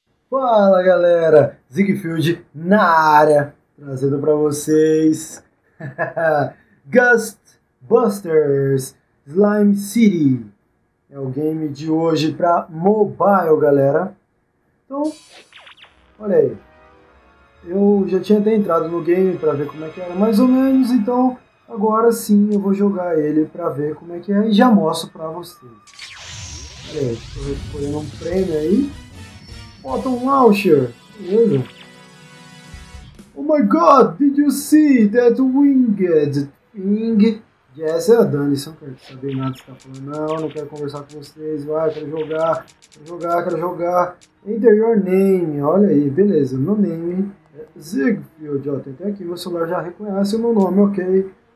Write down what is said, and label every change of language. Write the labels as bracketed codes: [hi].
[pt] Fala, galera! Ziegfeld na área, trazendo pra vocês... Ghostbusters Slime City. É o game de hoje para mobile, galera. Então, olha aí. Eu já tinha até entrado no game para ver como é que era, mais ou menos. Então, agora sim eu vou jogar ele para ver como é que é e já mostro para vocês. Olha aí, estou recolhendo um prêmio aí. Bota um launcher. Beleza. [en] Oh my god, did you see that winged thing? [pt] Yes, é a Dani, não quero saber nada que você tá falando. Não, não quero conversar com vocês, vai, quero jogar, quero jogar, quero jogar. [en] Enter your name, [pt] olha aí, beleza, meu name é Ziegfeld, ó, tem até aqui, meu celular já reconhece o meu nome, ok.